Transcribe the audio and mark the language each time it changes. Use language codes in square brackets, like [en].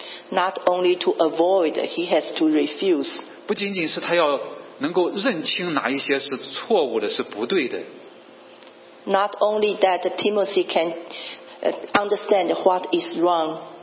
[en] Not only to avoid, he has to refuse. [zh] 不仅仅是他要能够认清哪一些是错误的，是不对的。 [en] Not only that Timothy can understand what is wrong.